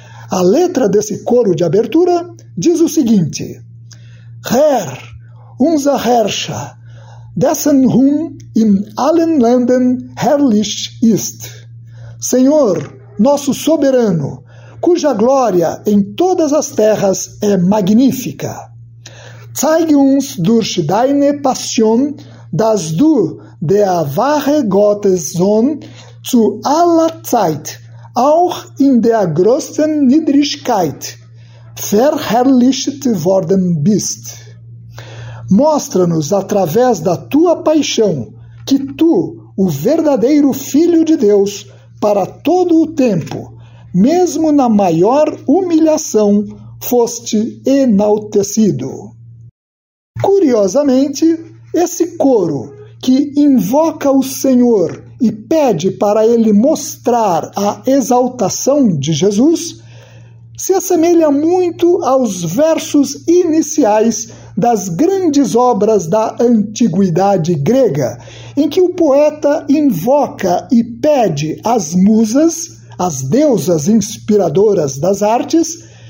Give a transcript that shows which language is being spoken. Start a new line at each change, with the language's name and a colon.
Portuguese: A letra desse coro de abertura diz o seguinte:
German: Herr, unser Herrscher, dessen Ruhm in allen Ländern herrlich ist.
Portuguese: Senhor, nosso soberano, cuja glória em todas as terras é magnífica.
German: Zeige uns durch deine Passion, dass du der wahre Gottessohn zu aller Zeit, auch in der größten Niedrigkeit, verherrlicht worden bist.
Portuguese: Mostra-nos através da tua paixão que tu, o verdadeiro Filho de Deus, para todo o tempo, mesmo na maior humilhação, foste enaltecido. Curiosamente, esse coro, que invoca o Senhor e pede para ele mostrar a exaltação de Jesus, se assemelha muito aos versos iniciais das grandes obras da antiguidade grega, em que o poeta invoca e pede às musas, às deusas inspiradoras das artes,